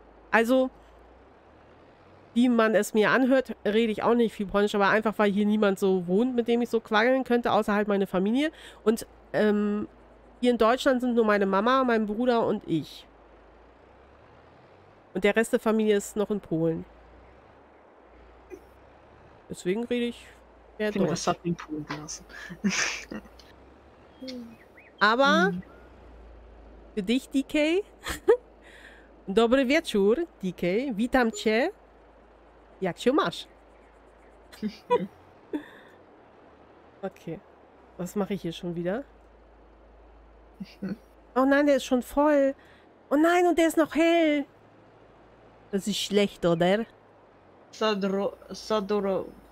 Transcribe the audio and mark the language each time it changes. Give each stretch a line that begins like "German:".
German: Also, wie man es mir anhört, rede ich auch nicht viel Polnisch, aber einfach, weil hier niemand so wohnt, mit dem ich so quangeln könnte, außer halt meine Familie. Und hier in Deutschland sind nur meine Mama, mein Bruder und ich. Und der Rest der Familie ist noch in Polen. Deswegen rede ich mehr Deutsch. Das hat in Polen gelassen. Aber für dich,
Polish: DK, Dobry wieczór, DK, witam cię, jak się masz?
German: Okay, was mache ich hier schon wieder? Oh nein, der ist schon voll. Oh nein, und der ist noch hell. Das ist schlecht, oder? Sadoro.